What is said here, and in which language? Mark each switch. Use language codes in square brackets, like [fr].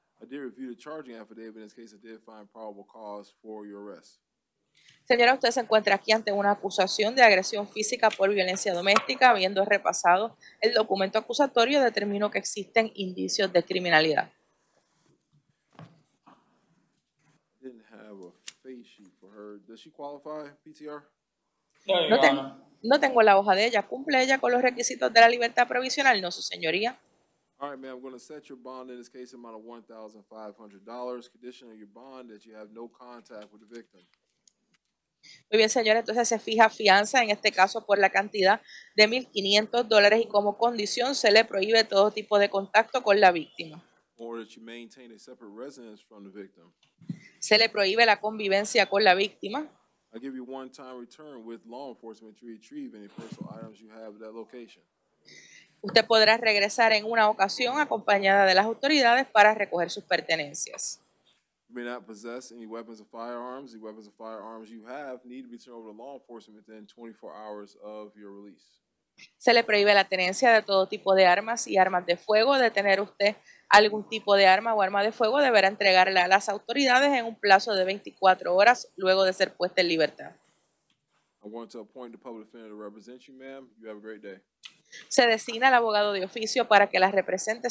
[en] I did review the charging affidavit. In this case, I did find probable cause for your arrest. [es] Señora, usted se encuentra aquí ante una acusación de agresión física por violencia doméstica. Habiendo repasado el documento acusatorio, determino que existen indicios de criminalidad. [en] Have a face sheet for her. Does she qualify PTR? [es] No tengo la hoja de ella. ¿Cumple ella con los requisitos de la libertad provisional? No, su señoría. [en] All right, ma'am. I'm going to set your bond in this case amount of $1,500. Condition of your bond that you have no contact with the victim. [es] Muy bien, señora. Entonces se fija fianza en este caso por la cantidad de $1,500 y como condición se le prohíbe todo tipo de contacto con la víctima. [en] Or that you maintain a separate residence from the victim. [es] Se le prohíbe la convivencia con la víctima. [en] I give you one time return with law enforcement to retrieve any personal items you have at that location. [es] Usted podrá regresar en una ocasión acompañada de las autoridades para recoger sus pertenencias. [en] You may not possess any weapons or firearms. The weapons or firearms you have need to be turned over to law enforcement within 24 hours of your release. [es] Se le prohíbe la tenencia de todo tipo de armas y armas de fuego. De tener usted algún tipo de arma o arma de fuego, deberá entregarla a las autoridades en un plazo de 24 horas luego de ser puesta en libertad. [en] I want to appoint the public defender to represent you, ma'am. You have a great day. [es] Se designa el abogado de oficio para que la represente.